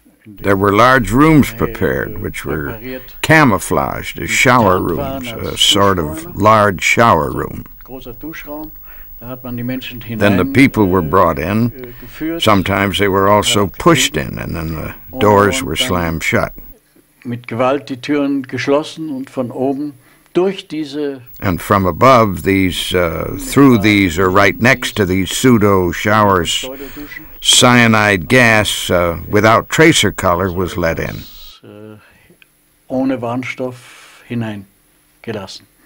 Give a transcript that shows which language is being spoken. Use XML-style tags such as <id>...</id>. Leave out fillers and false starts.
<en>There were large rooms prepared, which were camouflaged as shower rooms, a sort of large shower room. Then the people were brought in. Sometimes they were also pushed in, and then the doors were slammed shut.</en> <de>Mit Gewalt die Türen geschlossen und von oben durch diese.</de> <en>And from above, these through these or right next to these pseudo showers, cyanide gas without tracer color was let in.</en> <de>Ohne Warnstoff hineingelassen.</de>